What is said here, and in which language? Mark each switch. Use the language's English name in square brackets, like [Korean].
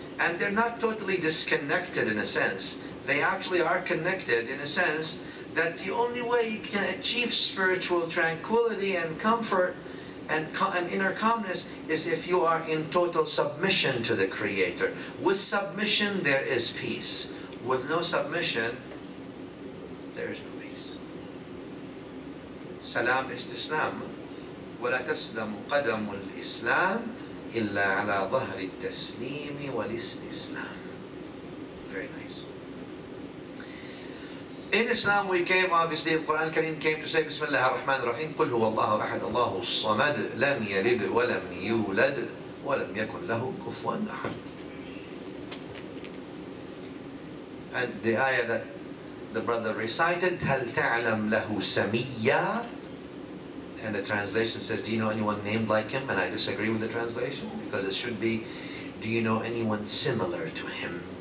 [English] And they're not totally disconnected in a sense. They actually are connected in a sense that the only way you can achieve spiritual tranquility and comfort and inner calmness is if you are in total submission to the Creator. With submission, there is peace. With no submission, there is no peace. Salam is to Islam. [Arabic] ولا تسلم قدم الإسلام إلا على ظهر التسليم والاستسلام. [English] Very nice. In Islam, we came, obviously, the Quran Kareem came to say, Bismillah ar-Rahman ar-Rahim, [Arabic] قُلْ هُوَ اللَّهُ أَحَدُ اللَّهُ الصَّمَدُ لَمْ يَلِدْ وَلَمْ يُولَدْ وَلَمْ يَكُنْ لَهُ كُفُوًا أَحَدٌ. [English] And the ayah that the brother recited, [Arabic] هَلْ تَعْلَمْ لَهُ سَمِيَّا. [English] And the translation says, do you know anyone named like him? And I disagree with the translation, because it should be, do you know anyone similar to him?